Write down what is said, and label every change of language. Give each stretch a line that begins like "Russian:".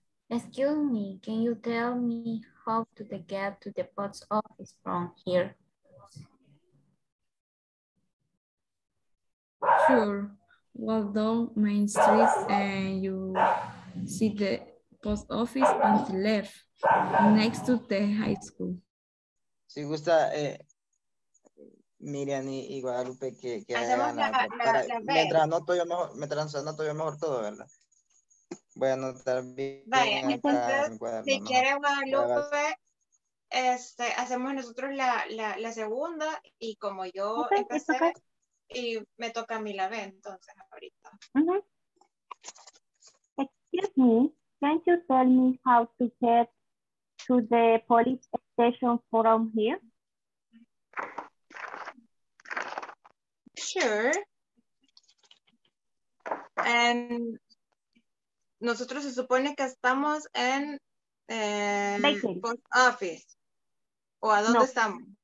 English: Excuse me, can you tell me how to get to the post office from here? Sure. Walk down Main Street and you see the post office on the left, next to the high school.
Spanish: Si gusta, Miriam y Guadalupe, que mientras anoto yo mejor todo, ¿verdad? Voy a anotar bien. Vaya, entonces, si quiere Guadalupe, hacemos nosotros la segunda y como yo empecé, y me toca a mí la B, entonces, ahorita.
English: Excuse me, can you tell me how to get to the police station from here? Sure.
Spanish: And nosotros se supone que estamos en el post office. ¿O a dónde estamos?